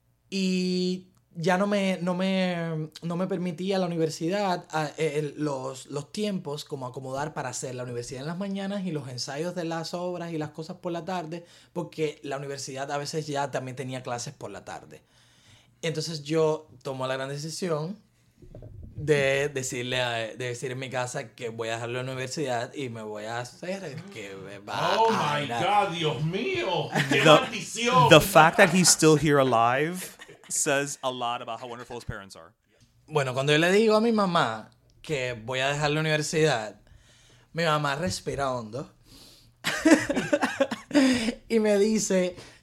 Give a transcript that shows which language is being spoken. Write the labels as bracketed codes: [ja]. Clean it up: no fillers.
[es] y ya no me permitía la universidad los tiempos como acomodar para hacer la universidad en las mañanas y los ensayos de las obras y las cosas por la tarde, porque la universidad a veces ya también tenía clases por la tarde. Entonces yo tomo la gran decisión de decir en mi casa que voy a dejar la universidad y me voy a hacer el que va. [en] Oh my God, [es] Dios mío, qué maldición. [en] The fact that he's still here alive says a lot about how wonderful his parents are. [es] Bueno, cuando yo le digo a mi mamá que voy a dejar la universidad, mi mamá respira hondo y me dice,